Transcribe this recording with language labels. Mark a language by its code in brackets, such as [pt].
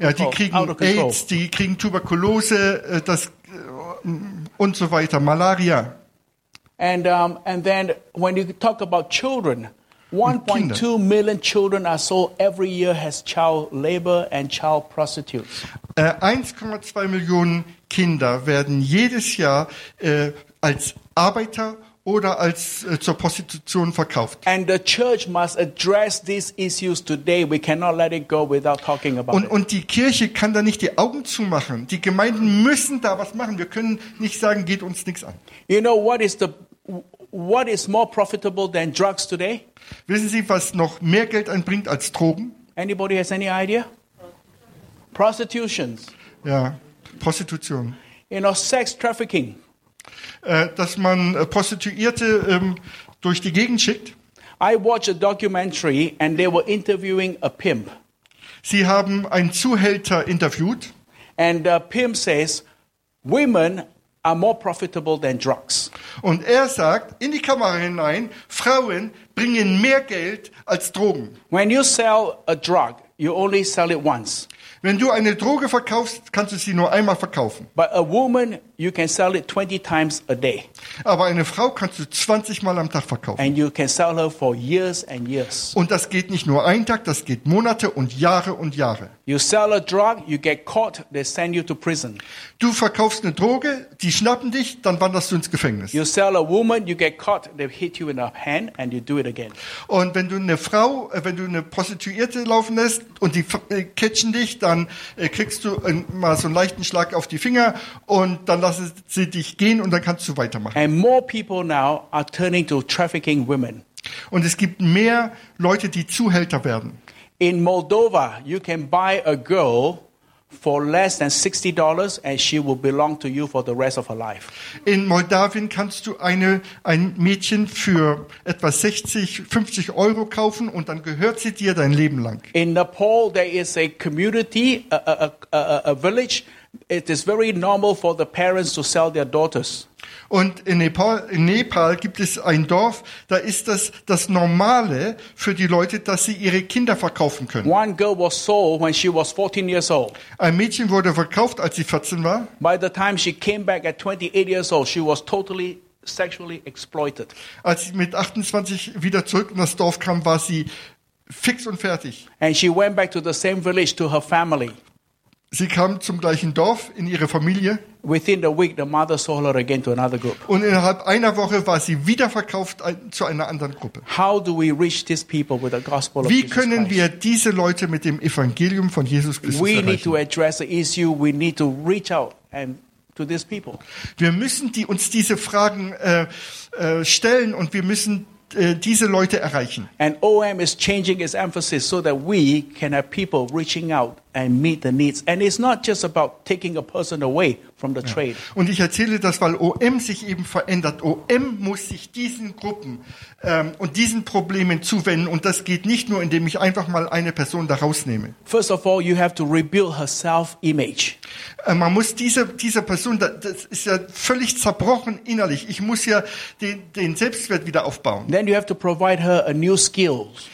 [de] Ja, die kriegen AIDS, die kriegen Tuberkulose, das und so weiter, Malaria. [en] And then when you talk about children, 1.2 million children are sold every year as child labor and child prostitutes. [de] 1,2 Millionen Kinder werden jedes Jahr als Arbeiter oder als zur Prostitution verkauft. [en] And the church must address these issues today. We cannot let it go without talking about it. [de] Und die Kirche kann da nicht die Augen zumachen. Die Gemeinden müssen da was machen. Wir können nicht sagen, geht uns nichts an. [en] You know what is more profitable than drugs today? [de] Wissen Sie, was noch mehr Geld einbringt als Drogen? [en] Anybody has any idea? Prostitutions. [de] Ja, Prostitution. [en] You know, sex trafficking. [de] Dass man Prostituierte durch die Gegend schickt. [en] I watched a documentary and they were interviewing a pimp. [de] Sie haben einen Zuhälter interviewt. [en] And Pim says, women are more profitable than drugs. [de] Und er sagt in die Kamera hinein, Frauen bringen mehr Geld als Drogen. [en] When you sell a drug, you only sell it once. [de] Wenn du eine Droge verkaufst, kannst du sie nur einmal verkaufen. [en] But a woman, you can sell it 20 times a day. [de] Aber eine Frau kannst du 20 Mal am Tag verkaufen. [en] And you can sell her for years and years. [de] Und das geht nicht nur einen Tag, das geht Monate und Jahre und Jahre. [en] You sell a drug, you get caught, they send you to prison. [de] Du verkaufst eine Droge, die schnappen dich, dann wanderst du ins Gefängnis. [en] You sell a woman, you get caught, they hit you in the hand and you do it again. [de] Und wenn du eine Frau, wenn du eine Prostituierte laufen lässt und die catchen dich, dann kriegst du mal so einen leichten Schlag auf die Finger und dann lassen sie dich gehen und dann kannst du weitermachen. [en] And more people now are turning to trafficking women. [de] Und es gibt mehr Leute, die Zuhälter werden. [en] In Moldova, you can buy a girl for less than $60 and she will belong to you for the rest of her life. [de] In Moldawien kannst du ein Mädchen für etwa 50 Euro kaufen und dann gehört sie dir dein Leben lang. [en] In Nepal, there is a community, a village. It is very normal for the parents to sell their daughters. [de] Und in Nepal gibt es ein Dorf, da ist das Normale für die Leute, dass sie ihre Kinder verkaufen können. [en] One girl was sold when she was 14 years old. [de] Ein Mädchen wurde verkauft, als sie 14 war. [en] By the time she came back at 28 years old, she was totally sexually exploited. [de] Als sie mit 28 wieder zurück in das Dorf kam, war sie fix und fertig. [en] And she went back to the same village to her family. [de] Sie kam zum gleichen Dorf in ihre Familie. [en] Within the week, the mother sold her again to another group. [de] Und innerhalb einer Woche war sie wieder verkauft zu einer anderen Gruppe. [en] How do we reach these people with the gospel of Jesus Christ? [de] Wie können wir diese Leute mit dem Evangelium von Jesus Christus erreichen? [en] We need to address the issue. We need to reach out and to these people. [de] Wir müssen uns diese Fragen stellen und wir müssen diese Leute erreichen. [en] And OM is changing its emphasis so that we can have people reaching out and meet the needs. And it's not just about taking a person away from the trade. [de] Und ich erzähle das, weil OM sich eben verändert. OM muss sich diesen Gruppen und diesen Problemen zuwenden. Und das geht nicht nur, indem ich einfach mal eine Person daraus nehme. [en] First of all, you have to rebuild her self-image. [de] Man muss dieser Person, das ist ja völlig zerbrochen innerlich. Ich muss ja den Selbstwert wieder aufbauen. [en] Then you have to provide her a new skill.